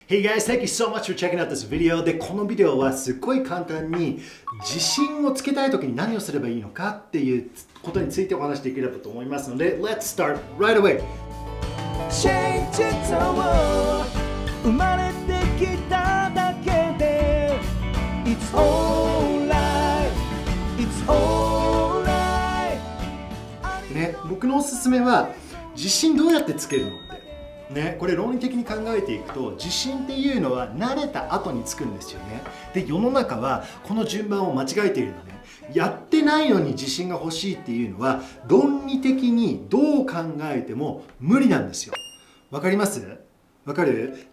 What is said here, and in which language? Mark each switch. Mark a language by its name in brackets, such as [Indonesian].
[English] Hey guys, thank you so much for checking out this video. [Japanese] で、このビデオはすっごい簡単に自信をつけたいときに何をすればいいのかっていうことについてお話しできればと思いますので、 [English] Let's start right away! Change it to world [Japanese] 生まれてきただけで [English] It's all right! It's all right! [Japanese] ね、僕のおすすめは自信どうやってつけるのってね、これ論理的に考えていくと自信っていうのは慣れた後につくんですよね。で、世の中はこの順番を間違えているのね。やってないのに自信が欲しいっていうのは論理的にどう考えても無理なんですよ。わかります？わかる？